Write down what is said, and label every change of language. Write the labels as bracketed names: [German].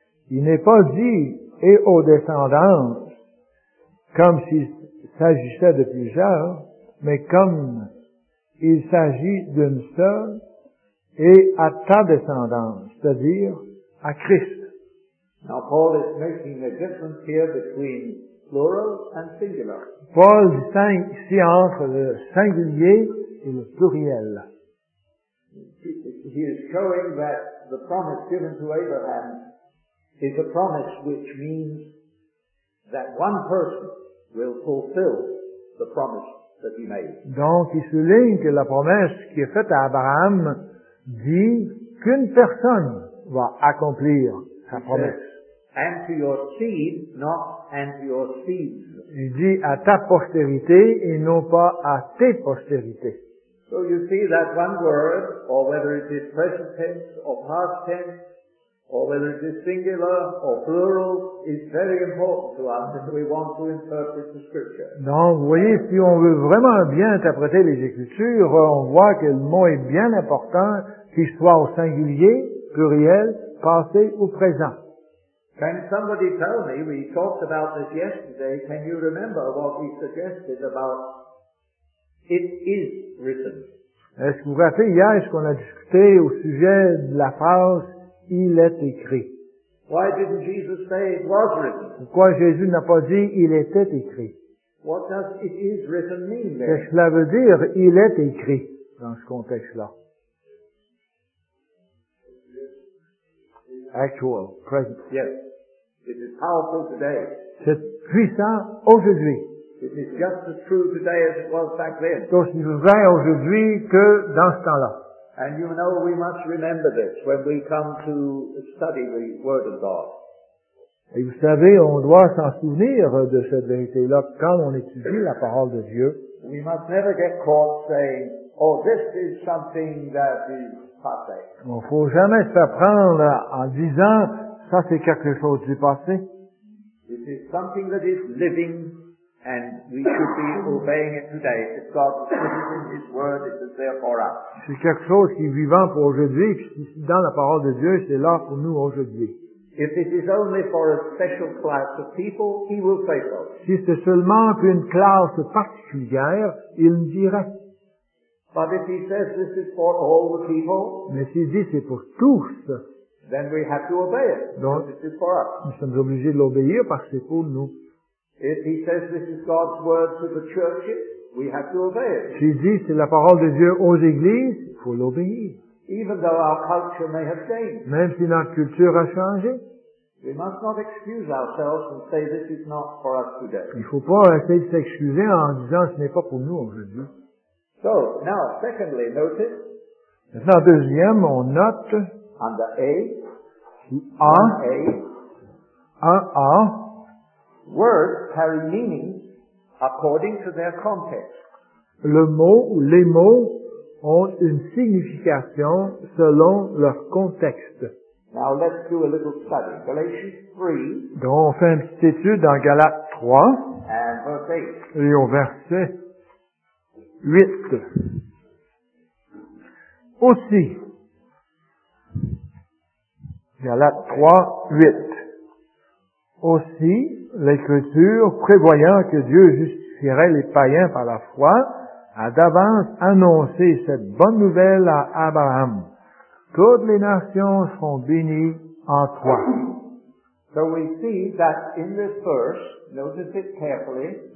[French] Il n'est pas dit « et aux descendants » comme s'il s'agissait de plusieurs, mais comme il s'agit d'une seule et à ta descendance, c'est-à-dire à Christ. [English] Now Paul is making a difference here between plural and singular. [French] Paul distingue ici entre le singulier et le pluriel. [English] He is showing that the promise given to Abraham is a promise which means that one person will fulfill the promise. [French] Donc, il souligne que la promesse qui est faite à Abraham dit qu'une personne va accomplir sa promesse. [English] And to your seed, not and to your seed. [French] Il dit à ta postérité et non pas à tes postérités. [English] So you see that one word, or whether it is present tense or past tense, or whether it is singular or plural, is very important to us if we want to interpret the scripture. [French] Donc, vous voyez, si on veut vraiment bien interpréter les Écritures, on voit que le mot est bien important, qu'il soit au singulier, pluriel, passé ou présent. [English] Can somebody tell me, we talked about this yesterday, can you remember what we suggested about it is written? [French] Est-ce que vous vous rappelez hier ce qu'on a discuté au sujet de la phrase Il est écrit. [English] Why didn't Jesus say it was written? [French] Pourquoi Jésus n'a pas dit il était écrit? [English] What does it is written mean then? [French] Qu'est-ce que cela veut dire il est écrit dans ce contexte-là? [English] Actual, present. Yes. It is powerful today. [French] C'est puissant aujourd'hui. [English] It is just as true today as it was back then. [French] C'est aussi vrai aujourd'hui que dans ce temps-là. [English] And you know we must remember this when we come to study the Word of God. [French] Et vous savez, on doit s'en souvenir de cette vérité-là quand on étudie la parole de Dieu. [English] We must never get caught saying, oh, this is something that is passé. [French] Il ne faut jamais se faire prendre en disant, ça c'est quelque chose du passé. [English] It is something that is living. And we should be obeying it today. If God put it in His Word, it is there for us. [French] C'est quelque chose qui est vivant pour aujourd'hui, puis dans la parole de Dieu, c'est là pour nous aujourd'hui. [English] If it is only for a special class of people, He will say so. [French] Si c'est seulement pour une classe particulière, il le dira. [English] But if He says this is for all the people, [French] mais s'il dit c'est pour tous, [English] then we have to obey it. [French] Donc, [English] because it is for us. [French] Nous sommes obligés de l'obéir parce que c'est pour nous. [English] If he says this is God's word to the churches, we have to obey it. [French] S'il dit c'est la parole de Dieu aux églises, il faut l'obéir. [English] Even though our culture may have changed. [French] Même si notre culture a changé. [English] We must not excuse ourselves and say this is not for us today. [French] Il faut pas essayer de s'excuser en disant ce n'est pas pour nous aujourd'hui. [English] So, now, secondly, notice. [French] Maintenant, deuxième, on note. [English] Under A. A. A. A. A. Words carry meaning according to their context. [French] Le mot ou les mots ont une signification selon leur contexte. [English] Now let's do a little study. Galatians 3. [French] Donc on fait une petite étude dans Galates 3. [English] And verse 8. [French] Et au verset 8. Aussi, Galates 3, 8. Aussi, l'Écriture, prévoyant que Dieu justifierait les païens par la foi, a d'avance annoncé cette bonne nouvelle à Abraham. Toutes les nations seront bénies en toi. [English] So we see that in this verse, notice it carefully,